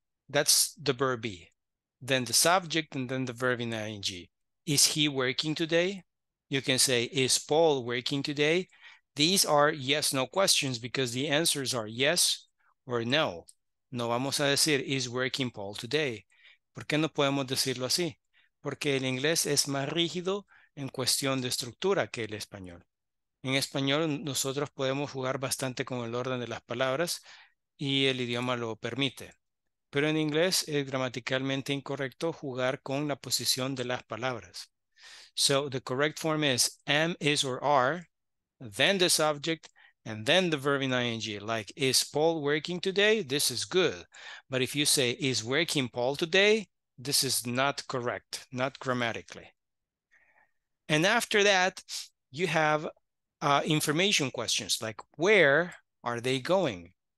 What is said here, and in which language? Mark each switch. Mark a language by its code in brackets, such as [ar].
[en] That's the verb be. Then the subject, and then the verb in ing. Is he working today? You can say, is Paul working today? These are yes, no questions, because the answers are yes or no. [es] No vamos a decir, [en] is working Paul today? [es] ¿Por qué no podemos decirlo así? Porque el inglés es más rígido en cuestión de estructura que el español. En español nosotros podemos jugar bastante con el orden de las palabras y el idioma lo permite. Pero en inglés es gramaticalmente incorrecto jugar con la posición de las palabras. [en] So the correct form is am, is, or are, then the subject, and then the verb in ing. Like, is Paul working today? This is good. But if you say, is working Paul today? This is not correct, not grammatically. And after that, you have information questions like, where are they going?